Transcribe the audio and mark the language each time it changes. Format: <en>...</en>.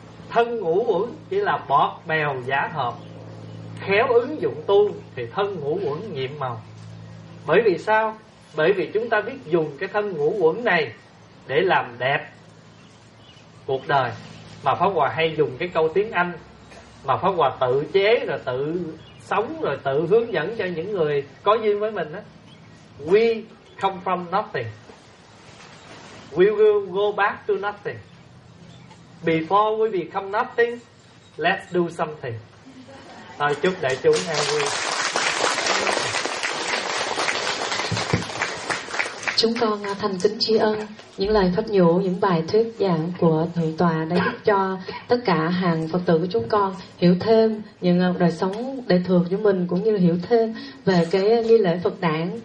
<vi>Thân ngũ uẩn chỉ là bọt bèo giả hợp, khéo ứng dụng tu thì thân ngũ uẩn nhiệm màu. Bởi vì sao? Bởi vì chúng ta biết dùng cái thân ngũ uẩn này để làm đẹp cuộc đời. Mà Pháp Hòa hay dùng cái câu tiếng Anh mà Pháp Hòa tự chế rồi tự sống rồi tự hướng dẫn cho những người có duyên với mình đó.</vi> <en>We come from nothing, we will go back to nothing. Before we become nothing, let's do something.</en> <vi>Thôi chúc đại chúng an vui. Chúng con thành kính tri ân những lời pháp nhũ, những bài thuyết giảng của Thượng Tọa đã giúp cho tất cả hàng Phật tử của chúng con hiểu thêm những đời sống đời thường của mình, cũng như hiểu thêm về cái nghi lễ Phật đản.</vi>